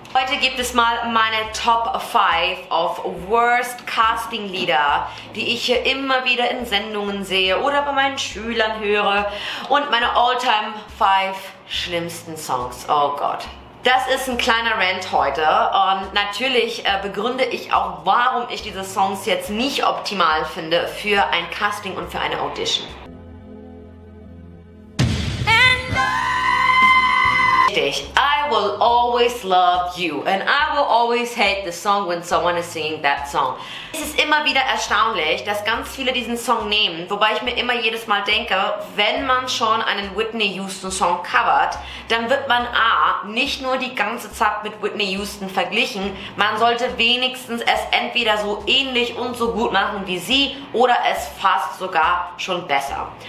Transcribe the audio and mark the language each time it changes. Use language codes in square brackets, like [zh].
[de] Heute gibt es mal meine Top 5 of Worst Casting Lieder, die ich hier immer wieder in Sendungen sehe oder bei meinen Schülern höre und meine All-Time 5 schlimmsten Songs. Oh Gott. Das ist ein kleiner Rant heute und natürlich begründe ich auch, warum ich diese Songs jetzt nicht optimal finde für ein Casting und für eine Audition. [en] I will always love you and I will always hate the song when someone is singing that song. [de] Es ist immer wieder erstaunlich, dass ganz viele diesen Song nehmen, wobei ich mir immer jedes Mal denke, wenn man schon einen Whitney Houston Song covert, dann wird man A, nicht nur die ganze Zeit mit Whitney Houston verglichen, man sollte wenigstens es entweder so ähnlich und so gut machen wie sie oder es fast sogar schon besser.